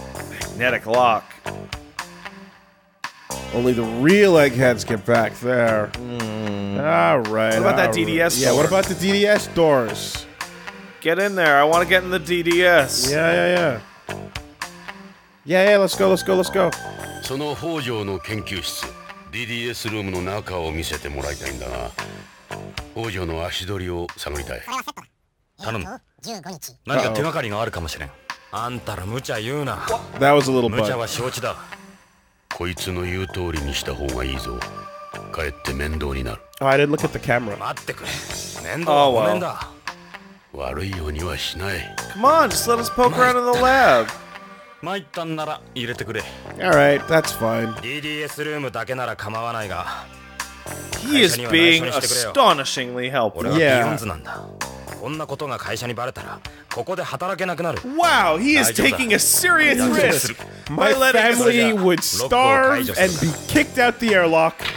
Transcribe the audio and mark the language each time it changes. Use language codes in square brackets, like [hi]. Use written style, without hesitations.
[en] Magnetic lock. Only the real eggheads get back there. All right. What about that DDS door? Yeah, what about the DDS doors? Get in there. I want to get in the DDS. Yeah. Yeah, let's go. [ja] その北条の研究室、DDS ルームの中を見せてもらいたいんだが、北条の足取りを探りたい。頼む。何か手がかりがあるかもしれん。あんたら無茶言うな。 [en] That was a little bit. [ja] 無茶は承知だ。こいつの言う通りにした方がいいぞ。かえって面倒になる。 [en] Oh, I didn't look at the camera. [ja] 待ってくれ。面倒はごめんだ。悪いようにはしない。 [en] Come on, just let us poke around in the lab. [ja] まいったんなら入れてくれ。 [en] All right, that's fine. [ja] DDS ルームだけなら構わないが。 [en] He is being astonishingly helpful. [ja] 俺はビヨンズなんだ。こんなことが会社にバレたら、ここで働けなくなる。 [en] Wow, he is taking a serious risk. My family would starve and be kicked out the airlock.